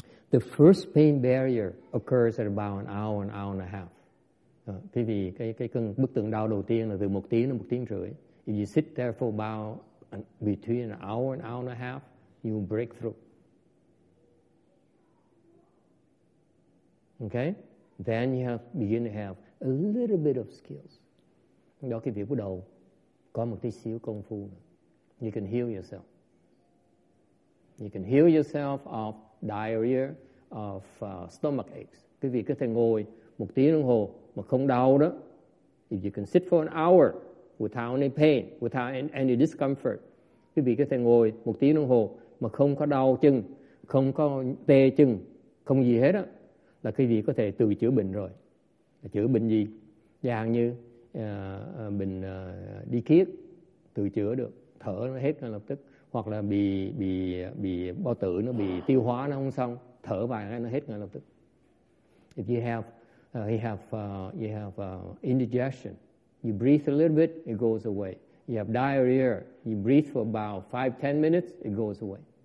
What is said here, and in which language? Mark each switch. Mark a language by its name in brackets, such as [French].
[English] The first pain barrier occurs at about an hour and a half. [Vietnamese] Thì vì cái cơn bức tường đau đầu tiên là từ 1 tiếng đến 1 tiếng rưỡi. [English] If you sit there for about between an hour and a half, you break through. Okay? Then you have begin to have a little bit of skills. [Vietnamese] Đó cái việc bắt đầu có một tí xíu công phu. [English] You can heal yourself. You can heal yourself of diarrhea, of stomach aches. [Vietnamese] Cái việc có thể ngồi 1 tiếng đồng hồ mà không đau đó, [English] if you can sit for an hour without any pain, without any discomfort, [Vietnamese] quý vị có thể ngồi 1 tiếng đồng hồ mà không có đau chân, không có tê chân, không gì hết đó, là quý vị có thể tự chữa bệnh rồi. Chữa bệnh gì? Dạng như bệnh đi kiết, tự chữa được, thở nó hết ngay lập tức, hoặc là bị bao tử nó bị tiêu hóa nó không xong, thở vài cái nó hết ngay lập tức. [English] If you have indigestion. You breathe a little bit, it goes away. You have diarrhea. You breathe for about 5-10 minutes, it goes away.